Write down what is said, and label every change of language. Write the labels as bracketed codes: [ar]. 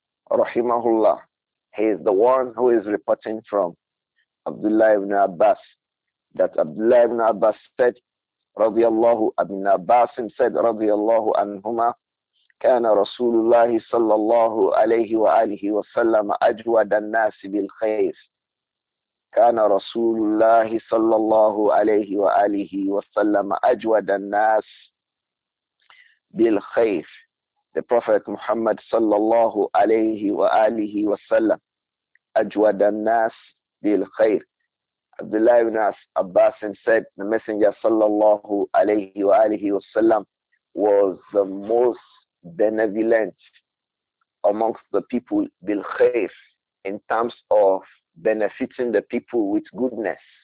[en] Rahimahullah, he is the one who is reporting from Abdullah ibn Abbas, that Abdullah ibn Abbas said, radiyallahu ibn Abbas said, radiyallahu anhuma, [ar] كان رسول الله صلى الله عليه وآله وسلم أجود الناس بالخير. كان رسول الله صلى الله عليه وآله وسلم أجود الناس بالخير. [en] The Prophet Muhammad [ar] صلى الله عليه وآله وسلم أجود الناس بالخير. [en] Abdullah ibn Abbas said, the Messenger صلى الله عليه وآله وسلم was the most benevolent amongst the people, [ar] bil khair, [en] in terms of benefiting the people with goodness.